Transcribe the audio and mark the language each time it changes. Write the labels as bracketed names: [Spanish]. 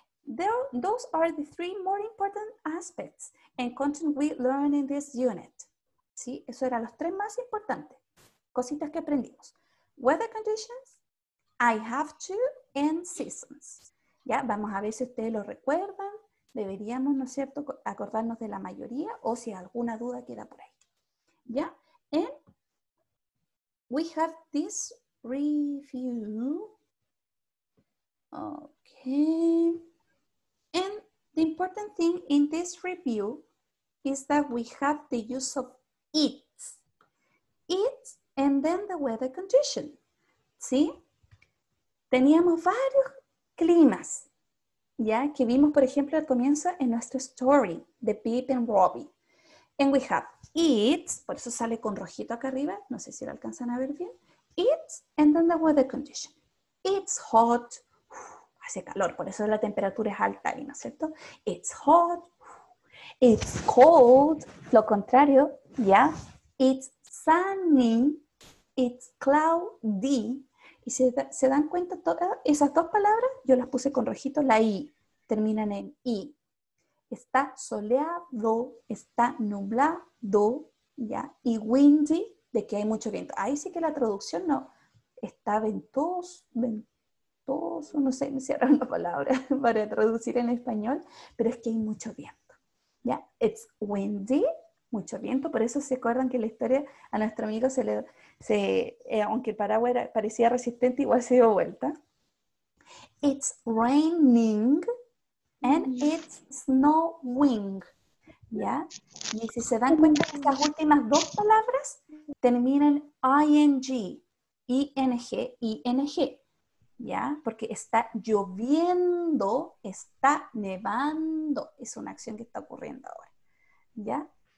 [English] Those are the three more important aspects and content we learn in this unit. [Spanish] ¿Sí? Eso eran los tres más importantes. Cositas que aprendimos. [English] Weather conditions, I have two, and seasons. [Spanish] Ya, vamos a ver si ustedes lo recuerdan. Deberíamos, ¿no es cierto?, acordarnos de la mayoría o si alguna duda queda por ahí. [English] ¿Ya? And we have this review. Okay. And the important thing in this review is that we have the use of it. It and then the weather condition. [Spanish] ¿Sí? Teníamos varios climas, ¿ya? Que vimos, por ejemplo, al comienzo en nuestra story de Pip and Robbie. [English] And we have it, [Spanish] por eso sale con rojito acá arriba, no sé si lo alcanzan a ver bien. [English] It and then the weather condition. It's hot, [Spanish] hace calor, por eso la temperatura es alta ahí, ¿no es cierto? [English] It's hot, it's cold, [Spanish] lo contrario, [English] ¿ya? It's sunny, it's cloudy. [Spanish] Y se dan cuenta, todas esas dos palabras, yo las puse con rojito, la I, terminan en I. Está soleado, está nublado, ¿ya? Y windy, de que hay mucho viento. Ahí sí que la traducción no está ventoso, ventoso, no sé, me cierra una palabra para traducir en español, pero es que hay mucho viento, ¿ya? [English] It's windy, [Spanish] mucho viento, por eso se acuerdan que la historia a nuestro amigo se le, aunque el paraguas era, parecía resistente, igual se dio vuelta. [English] It's raining and it's snowing, ¿ya? [Spanish] Y si se dan cuenta que las últimas dos palabras terminan ing, ing, ing, ¿ya? Porque está lloviendo, está nevando, es una acción que está ocurriendo ahora, ¿ya?